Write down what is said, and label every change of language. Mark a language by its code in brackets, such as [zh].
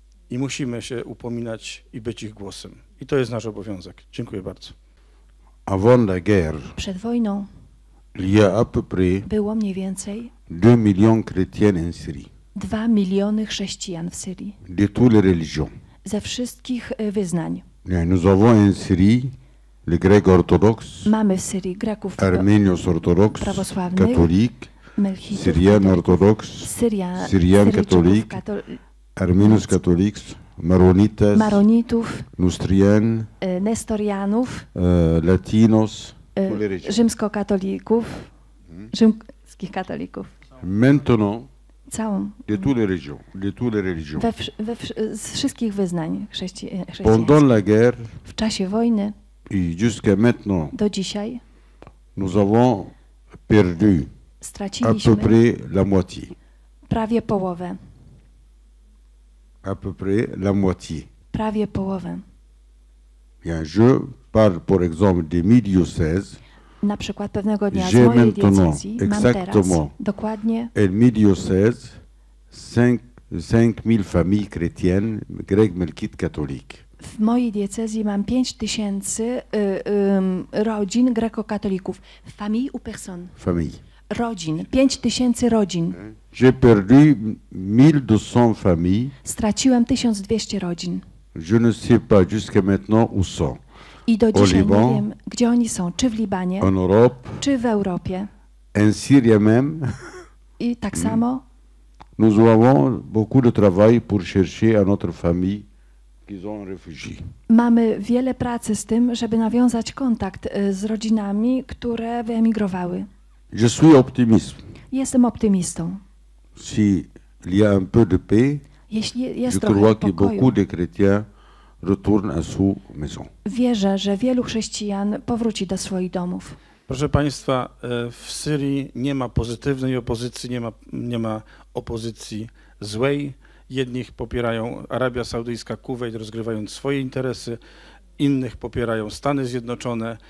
[pl] I musimy się upominać i być ich głosem. I to jest nasz obowiązek. Dziękuję bardzo. [fr] Avant la guerre, [pl] przed wojną [fr] il y a à peu près [pl] było mniej więcej [fr] 2 miliony chrétiens en Syrie. [pl] 2 miliony chrześcijan w Syrii. [fr] De toutes les religions. [pl] Ze wszystkich wyznań. [fr] Nous avons en Syrie les Grecs orthodoxes, [pl] mamy w Syrii Greków [fr] orthodoxes, [pl] prawosławnych, katolików, [en] Syrian orthodoks, Syrian [pl] katolik, Arminus katoliks, Maronitów, Nustrien, Nestorianów, Latinos, rzymskokatolików, rzymskich katolików. [fr] Maintenant, [pl] całą. [fr] De toutes les religions, de toutes les religions. [pl] Z wszystkich wyznań chrześcijańskich. [fr] Pendant la guerre, [pl] w czasie wojny [fr] i jusqu'à maintenant, [pl] do dzisiaj, [fr] nous avons perdu, [pl] straciliśmy [fr] à peu près la moitié, [pl] prawie połowę. [fr] À peu près la moitié. [pl] Prawie połowę. [fr] Bien, je parle, par exemple, de mi diocèse. [pl] Na przykład pewnego dnia z mojej diecezji [fr] exactement, [pl] mam teraz dokładnie [fr] en mi diocèse 5000 familles chrétiennes grecques melkites catholiques. [pl] W mojej diecezji mam 5000 rodzin grekokatolików. [fr] Famille ou personne? Famille. [pl] Rodzin, 5000 rodzin. [fr] J'ai perdu 1200 familles. [pl] Straciłem 1200 rodzin. [fr] Je ne sais pas jusqu'à maintenant où sont. [pl] I do dzisiaj nie wiem, gdzie oni są, czy w Libanie, [fr] en Europe, [pl] czy w Europie. [fr] En Syrie même. [pl] I tak samo. [fr] Nous avons beaucoup de travail pour chercher à notre famille qu'ils ont réfugiés. [pl] Mamy wiele pracy z tym, żeby nawiązać kontakt z rodzinami, które wyemigrowały. [fr] Je suis optimiste. [pl] Jestem optymistą. [fr] Si il y a un peu de paix, [pl] jeśli jest [fr] je crois que beaucoup de chrétiens retournent à sous maison. [pl] Wierzę, że wielu chrześcijan powróci do swoich domów. Proszę Państwa, w Syrii nie ma pozytywnej opozycji, nie ma opozycji złej. Jednych popierają Arabia Saudyjska, Kuwejt, rozgrywając swoje interesy, innych popierają Stany Zjednoczone.